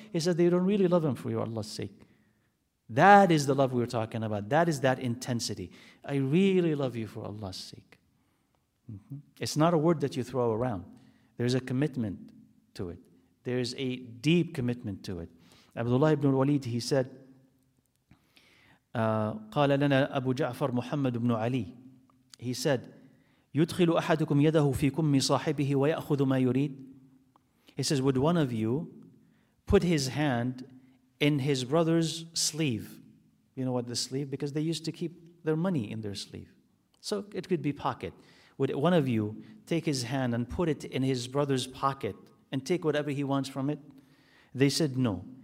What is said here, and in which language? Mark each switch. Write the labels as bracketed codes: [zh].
[en] He said, they don't really love him for you, Allah's sake. That is the love we're talking about. That is that intensity. I really love you for Allah's sake. Mm-hmm. It's not a word that you throw around. There's a commitment to it. There's a deep commitment to it. [ar] Abdullah ibn al-Walid, [en] he said, [ar] قال لنا أبو جعفر محمد بن علي, he said, يدخل أحدكم يده في كم صاحبه ويأخذ ما يريد. [en] He says, would one of you put his hand in his brother's sleeve? You know what the sleeve? Because they used to keep their money in their sleeve, so it could be pocket. Would one of you take his hand and put it in his brother's pocket and take whatever he wants from it? They said, no.